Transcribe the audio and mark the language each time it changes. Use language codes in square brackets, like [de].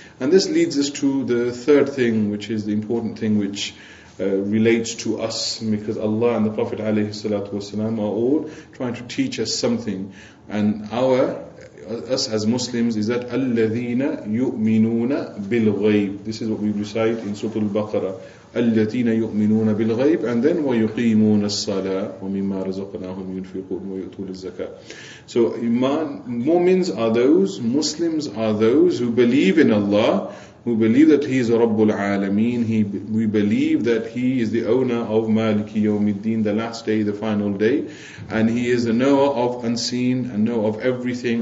[en] And this leads us to the third thing, which is the important thing which relates to us, because Allah and the Prophet alayhi salatu wasalam are all trying to teach us something. And us as Muslims is that [ar] الَّذِينَ يُؤْمِنُونَ بِالْغَيْبِ. [en] This is what we recite in Surah Al-Baqarah. [ar] الَّذِينَ يُؤْمِنُونَ بِالْغَيْبِ. [en] And then [ar] وَيُقِيمُونَ الصَّلَاةِ وَمِمَّا رَزَقْنَاهُمْ يُنْفِقُونَ وَيُؤْتُونَ الزَّكَاةِ. [en] So Mu'mins are those, Muslims are those who believe in Allah, who believe that He is Rabbul Alameen. We believe that He is the owner of Maliki Yawmiddin, the last day, the final day. And He is the knower of unseen and knower of everything.